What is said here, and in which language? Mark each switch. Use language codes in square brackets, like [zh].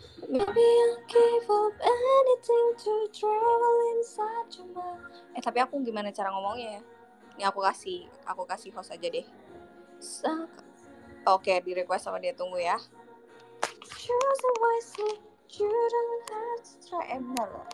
[en] Maybe I'll give up anything to travel inside your mind. [id] Tapi aku gimana cara ngomongnya ya? Ini aku kasih host aja deh. Oke, di request sama dia, tunggu ya. [en] Choose wisely, you don't have to try ever.